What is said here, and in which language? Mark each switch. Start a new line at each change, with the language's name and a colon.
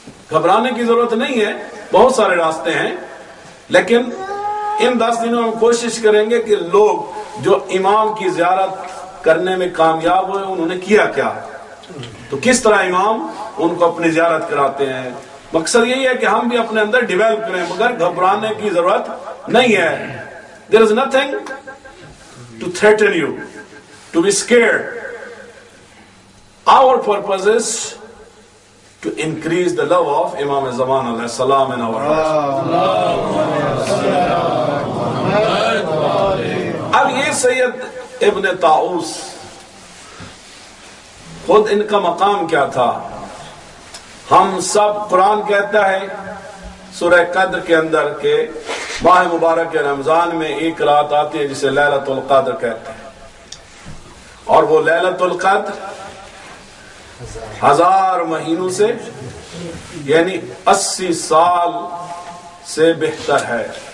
Urdu: گھبرانے کی ضرورت نہیں ہے, بہت سارے راستے ہیں, لیکن ان 10 دنوں میں کوشش کریں گے کہ لوگ جو امام کی زیارت کرنے میں کامیاب ہوئے انہوں نے کیا کیا, تو کس طرح امام ان کو اپنی زیارت کراتے ہیں. مقصد یہی ہے کہ ہم بھی اپنے اندر ڈیویلپ کریں, مگر گھبرانے کی ضرورت نہیں ہے.
English: There is nothing to threaten you, to be scared. Our purpose is to increase the love of Imam Zaman alayhi salam in our hearts.
Urdu: اب یہ سید ابن طاووس, خود ان کا مقام کیا تھا؟ ہم سب, قرآن کہتا ہے سورہ قدر کے اندر کے ماہ مبارک کے رمضان میں ایک رات آتی ہے جسے لیلۃ القدر کہتے ہیں, اور وہ لیلۃ القدر 1000 مہینوں سے یعنی 80 سال سے بہتر ہے.